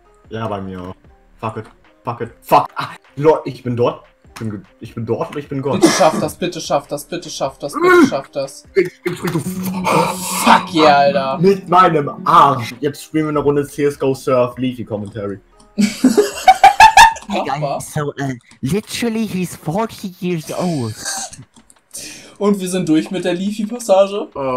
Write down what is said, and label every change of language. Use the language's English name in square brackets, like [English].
[German] Ja, bei mir auch. [English] Fuck it, fuck it, fuck. [German] Ah, Lord, ich bin dort. Ich bin dort und ich bin Gott. Bitte schaff das, bitte schaff das, bitte schaff das, bitte schaff das. [English] Fuck yeah, Alter. [German] Mit meinem Arsch. Jetzt spielen wir eine Runde CSGO Surf Leafy Commentary. [English] Hey guys, so, literally he's 40 years old. [German] Und wir sind durch mit der Leafy Passage.